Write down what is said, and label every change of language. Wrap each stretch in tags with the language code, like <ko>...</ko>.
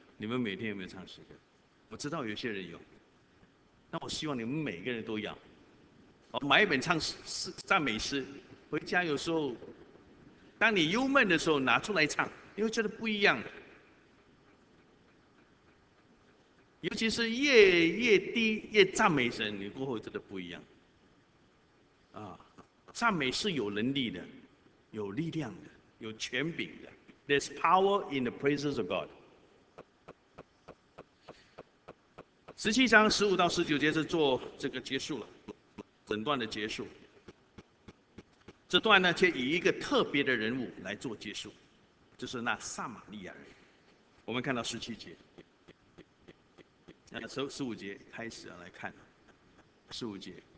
<zh>你们每天有没有唱诗歌？我知道有些人有，那我希望你们每个人都要买一本唱诗赞美诗，回家有时候当你忧闷的时候拿出来唱，你会觉得不一样。尤其是越低越赞美神，你过后真的不一样啊！赞美是有能力的，有力量的，有权柄的。</zh> <en>There's power in the praises of God。</en> <zh>十七章十五到十九节是做这个结束了，整段的结束。这段呢，却以一个特别的人物来做结束，就是那撒玛利亚人。我们看到十七节，十五节开始来看，十五节。</zh>